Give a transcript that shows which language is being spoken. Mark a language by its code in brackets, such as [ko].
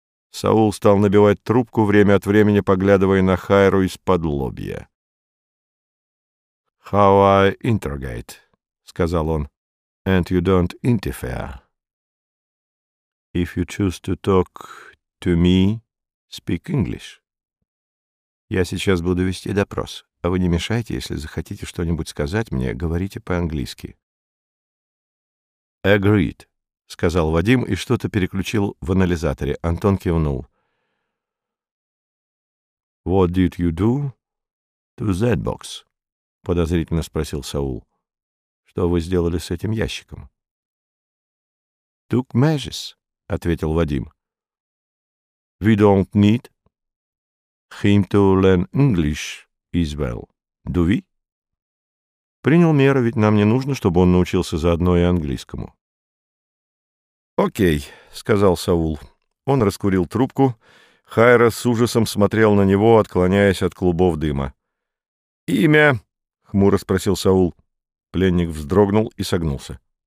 [ru] Саул стал набивать трубку, время от времени поглядывая на Хайру из-под лобья. [en] «How I interrogate», — [ru] сказал он, [en] — «and you don't interfere. If you choose to talk to me, speak English». [ru] «Я сейчас буду вести допрос, а вы не мешайте, если захотите что-нибудь сказать мне, говорите по-английски». «Agreed», — сказал Вадим и что-то переключил в анализаторе. Антон кивнул. [en] «What did you do to that box?» [ru] — подозрительно спросил Саул. «Что вы сделали с этим ящиком?» [en] «Took measures», — [ru] ответил Вадим. [en] «We don't need him to learn English as well, do we?» [ru] «Принял меры, ведь нам не нужно, чтобы он научился заодно и английскому». «Окей», — сказал Саул. Он раскурил трубку. Хайра с ужасом смотрел на него, отклоняясь от клубов дыма. «Имя?» — хмуро спросил Саул. Пленник вздрогнул и согнулся.